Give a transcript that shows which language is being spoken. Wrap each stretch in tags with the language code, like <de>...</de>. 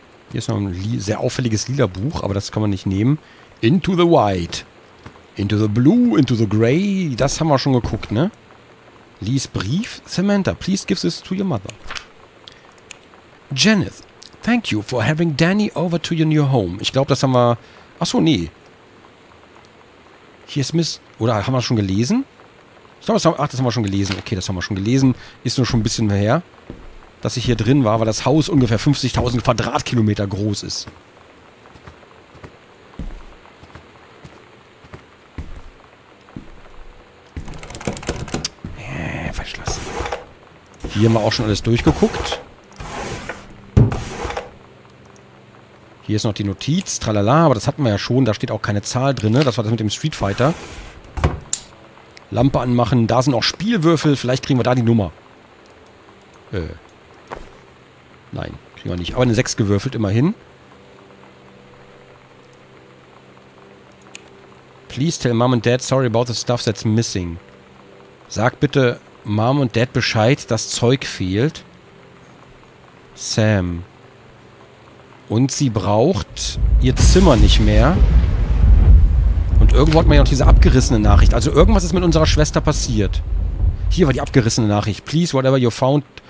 <de>Hier ist noch ein sehr auffälliges lila Buch, aber das kann man nicht nehmen.</de> <en>Into the White. Into the Blue, into the Gray.</en> <de>Das haben wir schon geguckt, ne? Lies Brief.</de> <en>Samantha, please give this to your mother. Janet, thank you for having Danny over to your new home.</en> <de>Ich glaube, das haben wir... Achso, nee. Hier ist Miss... Oder haben wir schon gelesen? Ich glaube, das haben wir schon gelesen. Okay, das haben wir schon gelesen. Ist nur schon ein bisschen her. Dass ich hier drin war, weil das Haus ungefähr 50.000 Quadratkilometer groß ist. Verschlossen. Hier haben wir auch schon alles durchgeguckt. Hier ist noch die Notiz, tralala, aber das hatten wir ja schon. Da steht auch keine Zahl drin, ne? Das war das mit dem Street Fighter. Lampe anmachen, da sind auch Spielwürfel. Vielleicht kriegen wir da die Nummer. Nein, kriegen wir nicht. Aber eine 6 gewürfelt, immerhin.</de> <en>Please tell Mom and Dad sorry about the stuff that's missing.</en> <de>Sag bitte Mom und Dad Bescheid, das Zeug fehlt. Sam. Und sie braucht ihr Zimmer nicht mehr. Und irgendwo hat man ja noch diese abgerissene Nachricht. Also irgendwas ist mit unserer Schwester passiert. Hier war die abgerissene Nachricht.</de> <en>Please, whatever you found...</en>